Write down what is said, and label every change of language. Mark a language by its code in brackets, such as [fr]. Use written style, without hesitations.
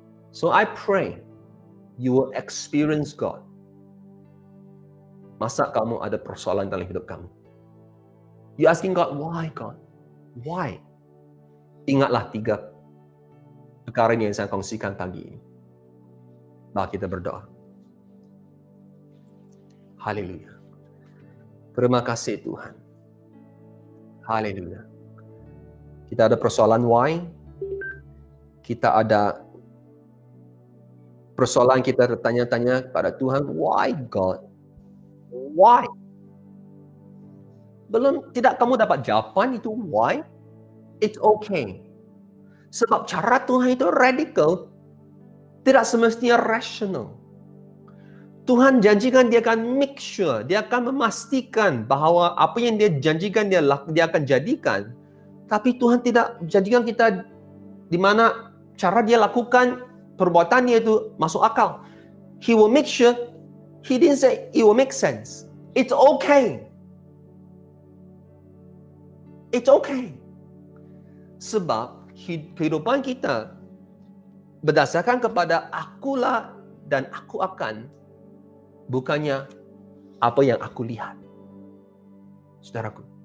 [en] So I pray you will experience God. [ms] Masa kamu ada persoalan dalam hidup kamu. [en] You asking God, why God? Why? [ms] Ingatlah tiga perkara yang saya kongsikan pagi ini. Mari kita berdoa. Haleluya. Terima kasih Tuhan. Haleluya. Kita ada persoalan why. Kita ada persoalan, kita bertanya-tanya kepada Tuhan, [en] why God? Why? [ms] Belum, tidak kamu dapat jawaban itu why? [en] It's okay. [ms] Sebab cara Tuhan itu radical, tidak semestinya rational. Tuhan janjikan dia akan make sure, dia akan memastikan bahwa apa yang dia janjikan dia akan jadikan. Tapi Tuhan tidak janjikan kita di mana cara dia lakukan perbuatan dia itu masuk akal. [en] He will make sure, he didn't say it will make sense. It's okay. It's okay. [ms] Sebab kehidupan kita berdasarkan kepada akulah dan aku akan, bukannya apa yang aku lihat. Saudaraku.